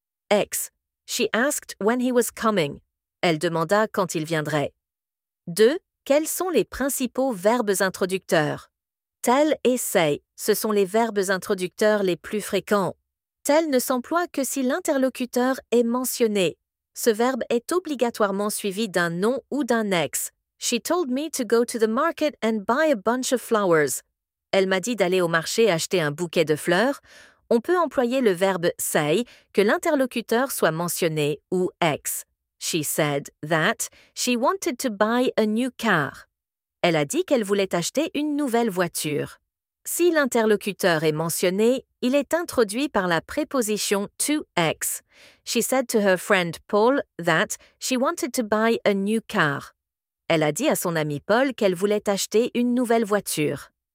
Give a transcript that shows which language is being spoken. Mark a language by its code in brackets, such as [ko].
[en] Ex. She asked when he was coming. [fr] Elle demanda quand il viendrait. [en] 2. [fr] Quels sont les principaux verbes introducteurs? Tell et say, ce sont les verbes introducteurs les plus fréquents. Tell ne s'emploie que si l'interlocuteur est mentionné. Ce verbe est obligatoirement suivi d'un nom ou d'un ex. [en] She told me to go to the market and buy a bunch of flowers. [fr] Elle m'a dit d'aller au marché acheter un bouquet de fleurs. On peut employer le verbe say, que l'interlocuteur soit mentionné ou ex. [en] She said that she wanted to buy a new car. [fr] Elle a dit qu'elle voulait acheter une nouvelle voiture. Si l'interlocuteur est mentionné, il est introduit par la préposition to ex. [en] She said to her friend Paul that she wanted to buy a new car. [fr] Elle a dit à son ami Paul qu'elle voulait acheter une nouvelle voiture.